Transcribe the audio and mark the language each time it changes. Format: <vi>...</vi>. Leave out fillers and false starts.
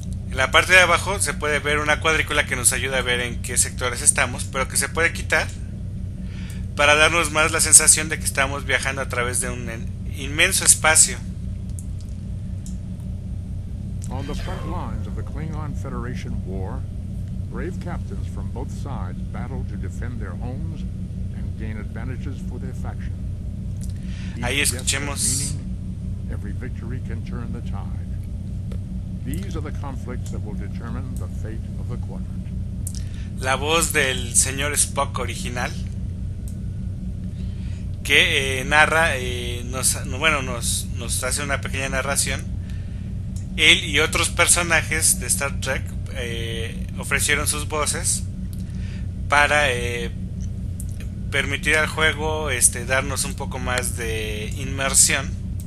<es>En la parte de abajo se puede ver una cuadrícula que nos ayuda a ver en qué sectores estamos, pero que se puede quitar para darnos más la sensación de que estamos viajando a través de un inmenso espacio.</es> <en>On the front lines of the Klingon Federation war, brave captains from both sides battle to defend their homes and gain advantages for their faction.</en> <es>Ahí escuchemos.</es> <en>Every victory can turn the tide. These are the conflicts that will determine the fate of the quadrant.</en> <es>La voz del señor Spock original, que narra, nos hace una pequeña narración. Él y otros personajes de Star Trek ofrecieron sus voces para permitir al juego darnos un poco más de inmersión.</es>